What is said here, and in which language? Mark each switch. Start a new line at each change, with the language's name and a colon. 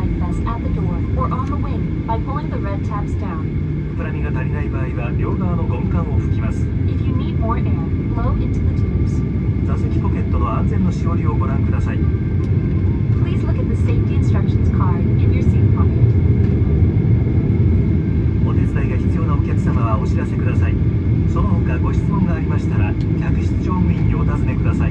Japanese: 膨らみが足りない場合は両側のゴム管を吹きます。
English: If you need more air, flow into the tubes.
Japanese: 座席ポケットの安全のしおりをご覧ください。
English: Please look at the safety instructions card in your seat pocket.
Japanese: お手伝いが必要なお客様はお知らせください。その他ご質問がありましたら、客室乗務員にお尋ねください。